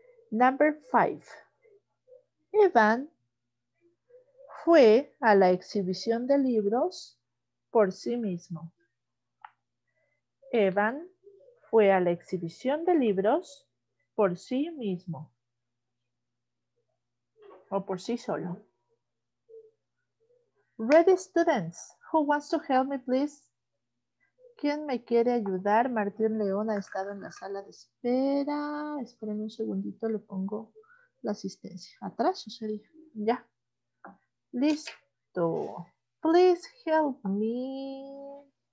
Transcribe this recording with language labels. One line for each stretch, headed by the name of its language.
English: Number five.
Spanish: Evan fue a la exhibición de libros por sí mismo. Evan fue a la exhibición de libros por sí mismo o por sí solo.
English: Ready students, who wants to help me please?
Spanish: ¿Quién me quiere ayudar? Martín León ha estado en la sala de espera. Espérenme un segundito, le pongo la asistencia. Atrás, o sería. Ya. Listo.
English: Please help me.